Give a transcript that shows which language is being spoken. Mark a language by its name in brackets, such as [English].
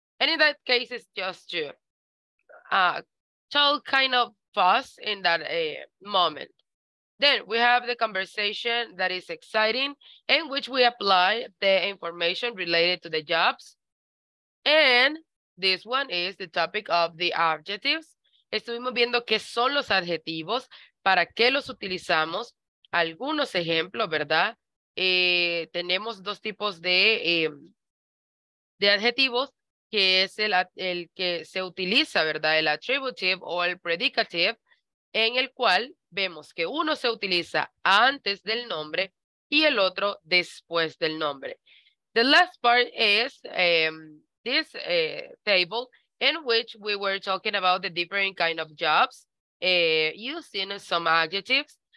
[English] And in that case, it's just to talk kind of fast in that moment. Then we have the conversation that is exciting, in which we apply the information related to the jobs. And this one is the topic of the adjectives. [Spanish] Estuvimos viendo qué son los adjetivos, para qué los utilizamos. Algunos ejemplos, ¿verdad? Tenemos dos tipos de adjetivos, que es el que se utiliza, ¿verdad? El attributive o el predicative, en el cual vemos que uno se utiliza antes del nombre y el otro después del nombre. [English] The last part is this table, in which we were talking about the different kind of jobs, using some adjectives.